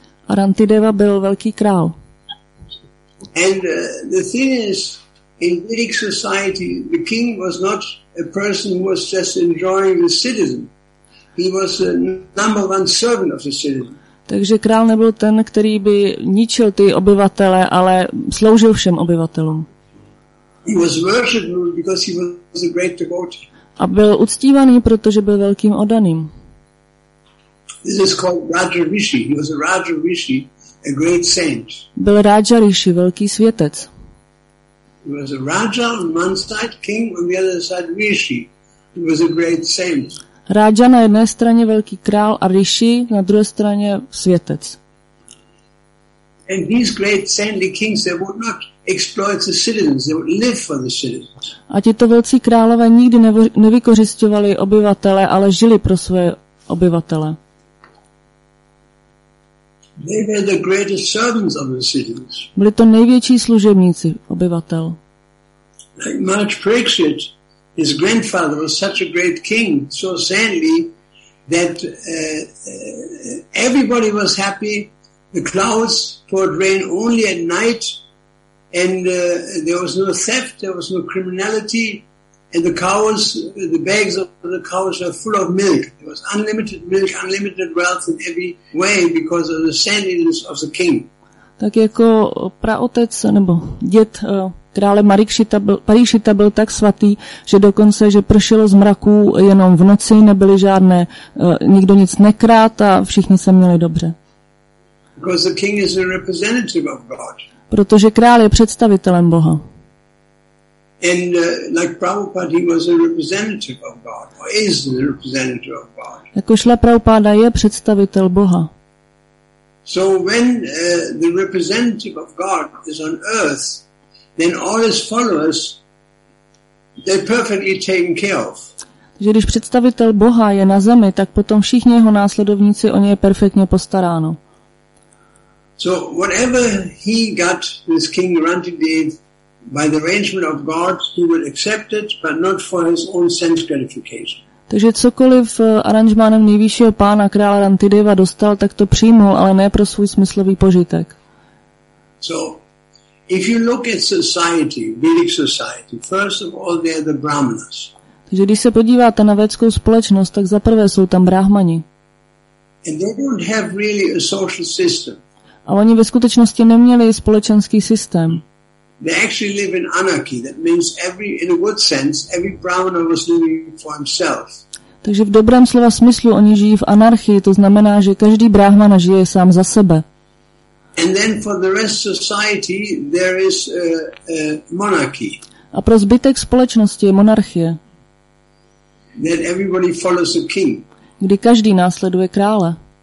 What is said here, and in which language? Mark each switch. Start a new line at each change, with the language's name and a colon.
Czech: A Rantideva byl velký král.
English: And the thing is, in Vedic society, the king was not a person who was just enjoying the citizen. He was the number one servant of the citizen.
Czech: Takže král nebyl ten, který by ničil ty obyvatele, ale sloužil všem obyvatelům.
English: He was worshipped because he was a great devotee.
Czech: A byl uctívaný, protože byl velkým oddaným.
English: This is called Raja Rishi. He was a Raja Rishi, a great saint.
Czech: Byl Raja Rishi, velký světec.
English: He was a Raja on one side, king on the other side, Rishi. He was a great saint.
Czech: Rádža na jedné straně velký král a Rishi na druhé straně světec.
English: And these great saintly kings, they would not exploit the citizens, they would live for the citizens.
Czech: A tito velcí králové nikdy nevykořisťovali obyvatele, ale žili pro své obyvatele.
English: They were the greatest servants of the citizens.
Czech: Byli to největší služebníci obyvatel.
English: Like Maharaj Parikshit, his grandfather was such a great king, so saintly, that everybody was happy. The clouds poured rain only at night, and there was no theft, there was no criminality, and the cows, the bags of the cows were full of milk. There was unlimited milk, unlimited wealth in every way because of the saintliness of the king.
Czech: Tak jako praotec nebo děd krále Parikšita byl tak svatý, že dokonce, že pršelo z mraků jenom v noci, nebyly žádné, nikdo nic nekrát a všichni se měli dobře.
English: Because the king is a representative of God.
Czech: Protože král je představitelem Boha.
English: And like Prabhupada, he was a representative of God, or is a representative of God.
Czech: Jako Šla Prabhupada je představitel Boha.
English: So when the representative of God is on earth, then all his followers, they're perfectly taken care of.
Czech: Takže když představitel Boha je na zemi, tak potom všichni jeho následovníci o něj je perfektně postaráno.
English: So whatever he got, this king granted him by the arrangement of God, he would accept it, but not for his own sense gratification.
Czech: Takže cokoliv aranžmánem nejvyššího pána krále Rantideva dostal, tak to přijmul, ale ne pro svůj smyslový požitek.
English: So, if you look at society, Vedic society, first of all, they are the Brahmanas.
Czech: Takže když se podíváte na védskou společnost, tak zaprvé jsou tam Brahmani.
English: And they don't have really a social system.
Czech: A oni ve skutečnosti neměli společenský systém.
English: They actually live in anarchy, that means every, in a good sense, every Brahmana was living for himself.
Czech: Takže v dobrém slova smyslu oni žijí v anarchii, to znamená, že každý Brahmana žije sám za sebe.
English: And then for the rest of society there is monarchy.
Czech: A pro zbytek společnosti je monarchie.
English: Then everybody follows the king.
Czech: Kdy každý následuje krále.